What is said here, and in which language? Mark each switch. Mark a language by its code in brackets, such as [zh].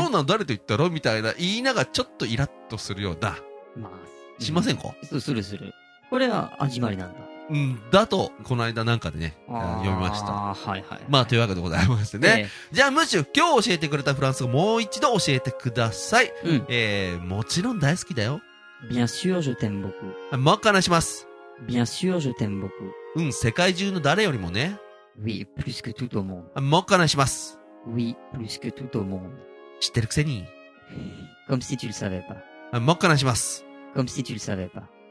[ja] あ、そうなの、誰と言ったろみたいな、言いながらちょっとイラッとするような。まあ、しませんか、うん、するする。これは始まりなんだ。うん、だと、この間なんかでね、読みました。ああ、はいはい。まあ、というわけでございましてね。じゃあ、むしろ、今日教えてくれたフランス語、もう一度教えてください。うん。もちろん大好きだよ。 [fr] Bien sûr, je t'aime beaucoup。 [ja] もう一回話します。 [fr] Bien sûr, je t'aime beaucoup。 [ja] うん、世界中の誰よりもね。 [fr] Oui, plus que tout le monde。 [ja] もう一回話します。 [fr] Oui, plus que tout au monde. [ja] 知ってるくせに。 [fr] Comme si tu le savais pas. [ja] もう一回話します。 [fr] Comme si tu le savais pas.